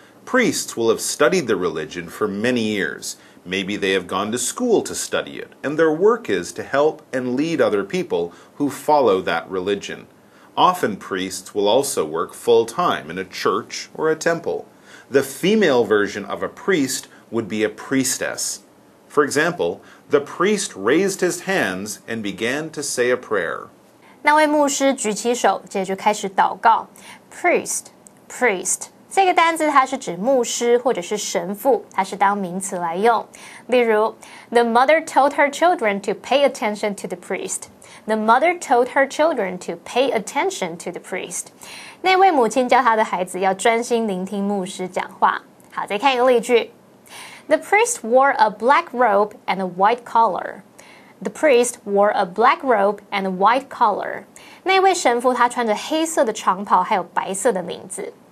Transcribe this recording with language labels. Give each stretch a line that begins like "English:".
English: Priests will have studied the religion for many years. Maybe they have gone to school to study it, and their work is to help and lead other people who follow that religion. Often priests will also work full-time in a church or a temple. The female version of a priest would be a priestess. For example,The priest raised his hands and began to say a prayer.
Chinese: 那位牧师举起手，接着就开始祷告。 Priest, 这个单字它是指牧师或者是神父，它是当名词来用。例如
English: ，The mother told her children to pay attention to the priest. The mother told her children to pay attention to the priest.
Chinese: 那位母亲教她的孩子要专心聆听牧师讲话。好，再看一个例句。
English: The priest wore a black robe and a white collar. The priest wore a black robe and a white collar.
Chinese: 那位神父他穿着黑色的长袍，还有白色的领子。